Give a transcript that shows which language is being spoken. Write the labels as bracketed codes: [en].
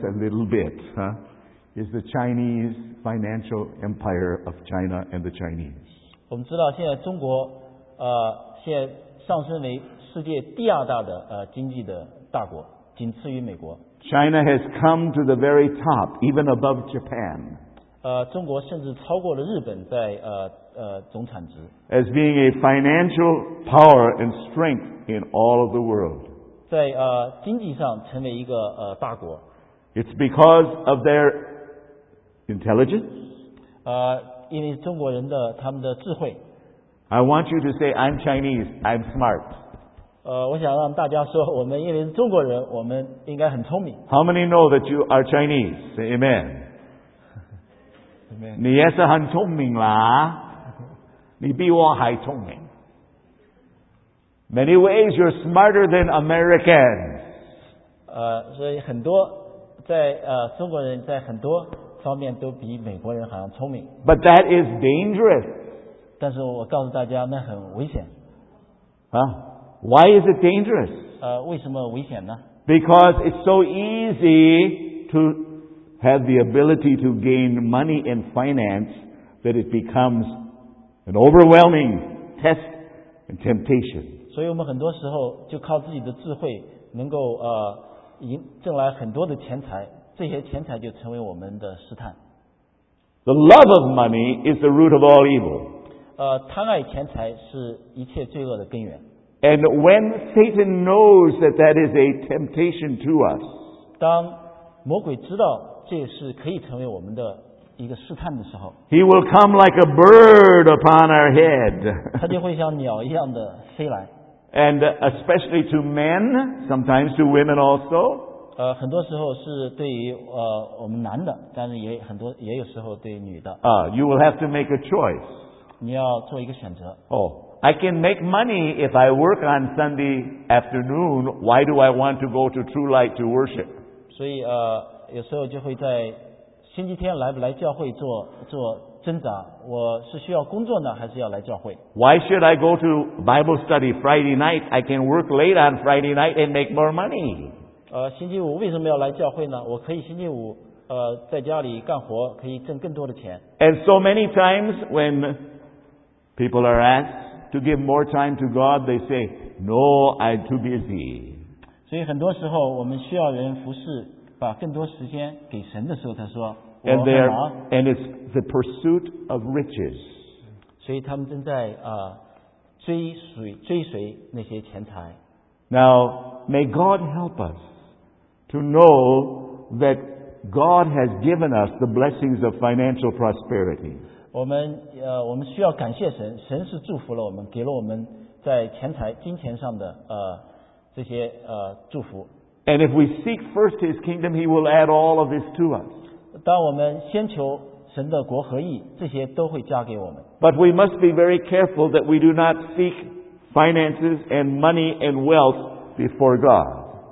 [en] a little bit, huh, is the Chinese financial empire of China and the Chinese. [zh] 我们知道现在中国现在上升为世界第二大的经济的大国，仅次于美国。 [en] China has come to the very top, even above Japan. [zh] 中国甚至超过了日本在总产值。 [en] As being a financial power and strength in all of the world. [zh] 在经济上成为一个大国。 [en] It's because of their intelligence. [zh] 因为中国人的他们的智慧。 [en] I want you to say, I'm Chinese, I'm smart. [zh] 我想让大家说，我们因为是中国人，我们应该很聪明。 [en] How many know that you are Chinese? Say amen. Amen. [zh] 你也是很聪明啦，你比我还聪明。 [en] Many ways you're smarter than Americans. [zh] 所以很多在中国人在很多方面都比美国人好像聪明。 [en] But that is dangerous. [zh] 但是我告诉大家，那很危险。 [en] 啊。Why is it dangerous? [zh] 为什么危险呢? [en] Because it's so easy to have the ability to gain money and finance that it becomes an overwhelming test and temptation. [zh] 所以我们很多时候就靠自己的智慧能够挣来很多的钱财，这些钱财就成为我们的试探。 [en] The love of money is the root of all evil. [zh] 贪爱钱财是一切罪恶的根源。 [en] And when Satan knows that that is a temptation to us, [zh] 当魔鬼知道这是可以成为我们的一个试探的时候， [en] he will come like a bird upon our head. [zh] 他就会像鸟一样的飞来。 [en] And especially to men, sometimes to women also. [zh] 很多时候是对于我们男的，但是也很多也有时候对于女的。 [en] You will have to make a choice. [zh] 你要做一个选择。 Oh. [en] I can make money if I work on Sunday afternoon. Why do I want to go to True Light to worship? [zh] 所以有时候就会在星期天来不来教会做挣扎。我是需要工作呢，还是要来教会？ [en] Why should I go to Bible study Friday night? I can work late on Friday night and make more money. [zh] 星期五为什么要来教会呢？我可以星期五在家里干活，可以挣更多的钱。 [en] And so many times when people are asked. To give more time to God, they say, "No, I'm too busy." [zh] 所以很多时候我们需要人服侍，把更多时间给神的时候，他说我很忙。 [en] And it's the pursuit of riches. [zh] 所以他们正在追随那些钱财。 [en] Now, may God help us to know that God has given us the blessings of financial prosperity. [zh] 我们需要感谢神，神是祝福了我们，给了我们在钱财、金钱上的这些祝福。 [en] And if we seek first His kingdom, He will add all of this to us. [zh] 当我们先求神的国和义，这些都会加给我们。 [en] But we must be very careful that we do not seek finances and money and wealth before God.